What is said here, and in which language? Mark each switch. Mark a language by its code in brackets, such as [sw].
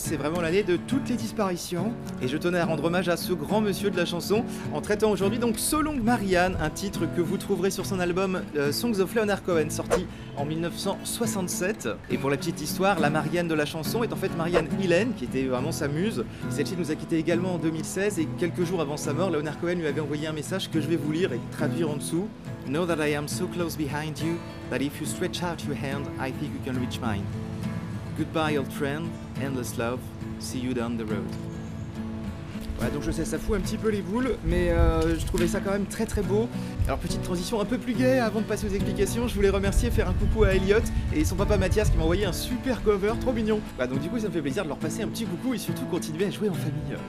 [fr] C'est vraiment l'année de toutes les disparitions. Et je tenais à rendre hommage à ce grand monsieur de la chanson, en traitant aujourd'hui donc So Long Marianne, un titre que vous trouverez sur son album Songs of Leonard Cohen, sorti en 1967. Et pour la petite histoire, la Marianne de la chanson est en fait Marianne Hillen, qui était vraiment sa muse. Celle-ci nous a quitté également en 2016, et quelques jours avant sa mort, Leonard Cohen lui avait envoyé un message que je vais vous lire et traduire en dessous. [en] Know that I am so close behind you that if you stretch out your hand, I think you can reach mine. Goodbye old friend, endless love, see you down the road. [fr] Ouais, donc je sais, ça fout un petit peu les boules, mais je trouvais ça quand même très très beau. Alors petite transition un peu plus gaie avant de passer aux explications, je voulais remercier, faire un coucou à Elliot et son papa Mathias qui m'a envoyé un super cover, trop mignon. Bah donc du coup ça me fait plaisir de leur passer un petit coucou et surtout continuer à jouer en famille.